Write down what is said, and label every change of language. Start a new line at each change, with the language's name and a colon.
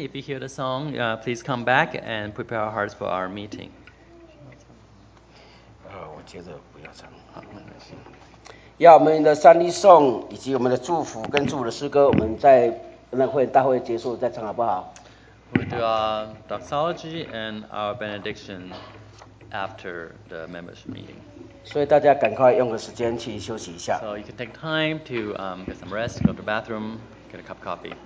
English: If you hear the song, please come back and prepare our hearts for our meeting.
Chinese: 我接着不要唱。要我们的三一颂以及我们的祝福跟祝福的诗歌，我们在那会大会结束再唱好不好
English: ？We'll do our doxology and our benediction after the membership meeting.
Chinese: 所以大家赶快用个时间去休息一下。
English: So you can take time to get some rest, go to the bathroom, get a cup of coffee.